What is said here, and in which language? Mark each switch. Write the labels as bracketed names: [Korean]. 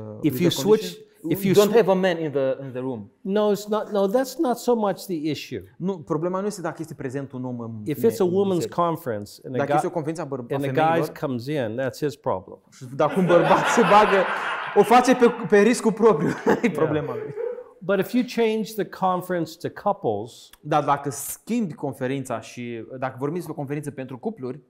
[English] If you don't have a man in the room. No, that's not so much the issue. [Romanian] Nu, problema nu este dacă este prezent un om. [English] If it's a woman's conference and a guy comes in, that's his problem. [Romanian] Dacă un bărbat se bagă, o face pe riscul propriu, e problema lui. [English] But if you change the conference to couples, [Romanian] dar dacă schimbi conferința și dacă vorbim despre o conferință pentru cupluri,